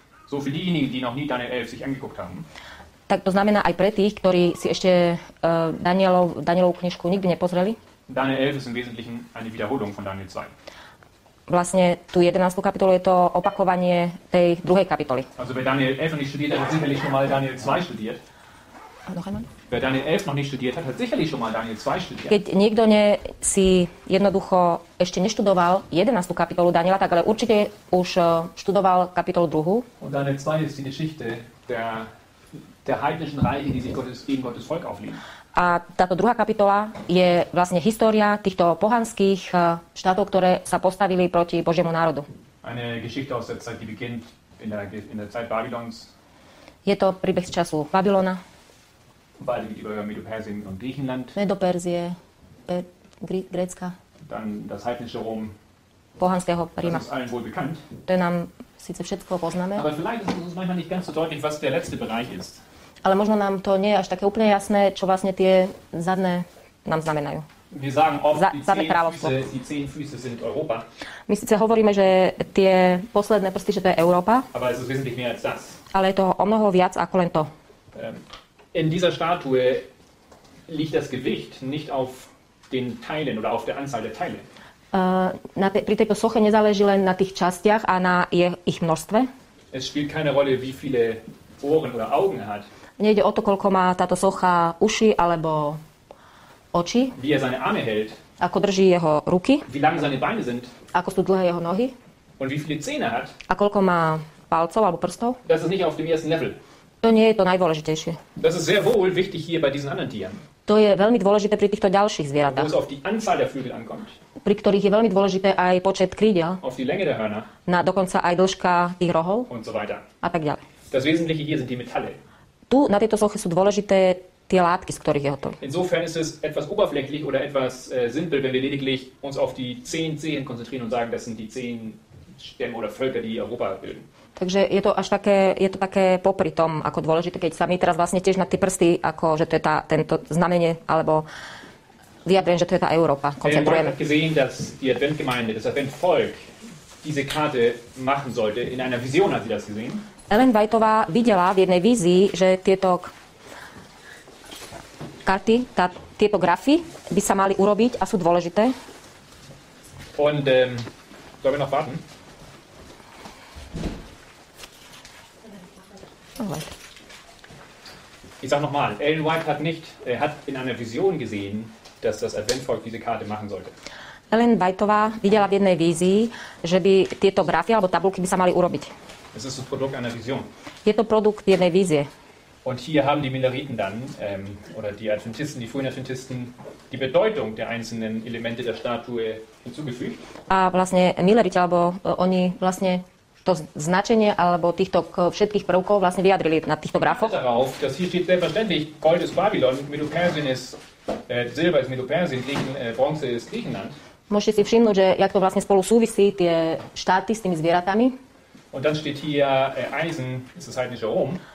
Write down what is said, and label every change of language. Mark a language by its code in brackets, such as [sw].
[de] So für diejenigen, die noch nie Daniel 11 sich angeguckt haben. [sk] Tak to znamená aj pre tých, ktorí si ešte Danielovu knižku nikdy nepozreli. [de] Daniel 11 ist im Wesentlichen eine Wiederholung von Daniel 2. [sk] Vlastne tu 11. kapitolu je to opakovanie tej druhej kapitoly. [de] Also wer Daniel 11 noch nicht studiert hat, hat sicherlich schon mal Daniel 2 studiert. Noch einmal? Wer Daniel 11 noch nicht studiert hat, hat sicherlich schon mal Daniel 2 studiert. [sk] Keď niekto si jednoducho ešte neštudoval 11. kapitolu Daniela, tak ale určite už študoval kapitolu 2. [de] Und Daniel 2 ist die Geschichte der heidnischen Reiche, die sich gegen Gottes Volk auflehnen. [sk] A táto druhá kapitola je vlastne história týchto pohanských štátov, ktoré sa postavili proti Božiemu národu. [de] Eine Geschichte aus der Zeit, die beginnt in der Zeit Babylons. [sk] Je to príbeh z času Babylona. [de] Beide geht über Medo Persien und Griechenland. [sk] Medo Persie, Grécka. [de] Dann das heidnische Rom. [sk] Pohanského Ríma. [de] Das ist allen wohl bekannt. [sk] To je nám síce všetko poznáme. [de] Aber vielleicht ist es manchmal nicht ganz so deutlich, was der letzte Bereich ist. [sk] Ale možno nám to nie je až také úplne jasné, čo vlastne tie zadné nám znamenajú. [de] Wir sagen oft, die zehn Füße sind Europa. [sk] My síce hovoríme, že tie posledné prsty, že to je Európa. [de] Aber es ist wesentlich mehr als das. [sk] Ale je to o mnoho viac ako len to. [de] In dieser Statue liegt das Gewicht nicht auf den Teilen oder auf der Anzahl der Teile. [sk] Pri tejto soche nezáleží len na tých častiach a na ich množstve. [de] Es spielt keine Rolle, wie viele Ohren oder Augen hat. [sk] Nejde o to, koľko má táto socha uši alebo oči. [de] Wie er seine Arme hält. [sk] Ako drží jeho ruky. [de] Wie lang seine Beine sind. [sk] Ako sú dlhé jeho nohy. [de] Und wie viele Zähne hat. [sk] A koľko má palcov alebo prstov. [de] Das ist nicht auf dem ersten Level. [sk] To nie je to najdôležitejšie. [de] Das ist sehr wohl wichtig hier bei diesen anderen Tieren. [sk] To je veľmi dôležité pri týchto ďalších zvieratách. [de] Wo es auf die Anzahl der Flügel ankommt. [sk] Pri ktorých je veľmi dôležité aj počet krídel. [de] Auf die Länge der Hörner. [sk] Na dokonca aj dĺžka tých rohov. [de] Und so weiter. [sk] A tak ďalej. [de] Das Wesentliche hier sind die Metalle. [sk] Tu na tejto soche sú dôležité tie látky, z ktorých je hotový. [de] Insofern ist es etwas oberflächlich oder etwas simpel, wenn wir lediglich uns auf die 10 Zehen konzentrieren und sagen, das sind die 10 Stämme oder Völker, die Europa bilden. [sk] Takže je to až také, je to také popri tom, ako dôležité, keď sa my teraz vlastne tiež na tie prsty, ako že to je tá, tento znamenie, alebo vyjadrím, že to je tá Európa, koncentrujeme. [de] Ja gesehen, dass die Adventgemeinde, das Adventvolk diese Karte machen sollte, in einer Vision hat sie das gesehen. [sk] Ellen Whiteová videla v jednej vízii, že tieto karty, tá, tieto grafy by sa mali urobiť a sú dôležité. [de] Und sollen wir noch warten? Ich sag nochmal, Ellen White hat nicht, hat in einer Vision gesehen, dass das Adventvolk diese Karte machen sollte. [sk] Ellen Whiteová videla v jednej vízii, že by tieto grafy alebo tabulky by sa mali urobiť. [de] Es ist das Produkt einer Vision. [sk] Je to produkt jednej vízie. [de] Und hier haben die Minoriten dann, oder die Adventisten, die frühen Adventisten, die Bedeutung der einzelnen Elemente der Statue hinzugefügt. [sk] A vlastne Mileriti, alebo oni vlastne to značenie alebo týchto všetkých prvkov vlastne vyjadrili na týchto grafoch. [de] Darauf, dass hier steht selbstverständlich, Gold ist Babylon, Medo-Persien ist, Silber ist Medo-Persien, Bronze ist Griechenland. [sk] Môžete si všimnúť, že jak to vlastne spolu súvisí tie štáty s tými zvieratami. [de] Und dann steht hier Eisen, ist das heidnische Rom.